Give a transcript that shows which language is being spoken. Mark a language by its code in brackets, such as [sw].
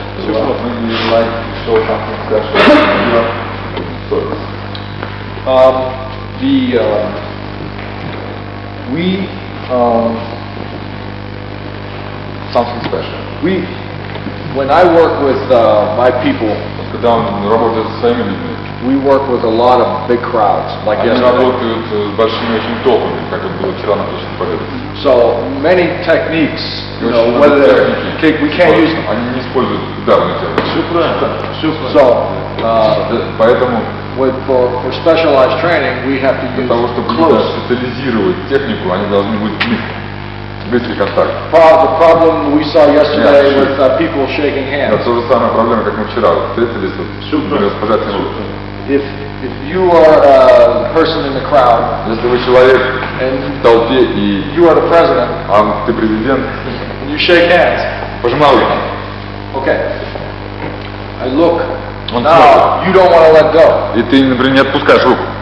[ru] Все, что мы не желаем, что там скажешь. [en] Something special. When I work with my people, [ru] когда он работает со своими людьми, [en] we work with a lot of big crowds, like [ru] они [en] yesterday. [ru] Работают с большими очень толпами, как это было вчера на прошлом поле. [en] So many techniques, you know, whether [ru] техники, [en] we can't use. [ru] Они не используют ударные техники. Супер, супер. [en] So, [ru] поэтому [en] with, for specialized training, we have to [ru] для того, чтобы [en] close. [ru] Специализировать технику, они должны быть близкий контакт. [en] The problem we saw yesterday yeah, with people shaking hands. [ru] Это тоже самая проблема, как мы вчера встретились с пожатием рук. [en] If you are a person in the crowd, [ru] если вы человек в толпе и [en] you are the president, [ru] а ты президент, [en] and you shake hands, [ru] пожимал руку. [en] Okay. I look. [ru] Он [en] now [ru] смотрит. [en] You don't want to let go. [ru] И ты, например, не отпускаешь руку.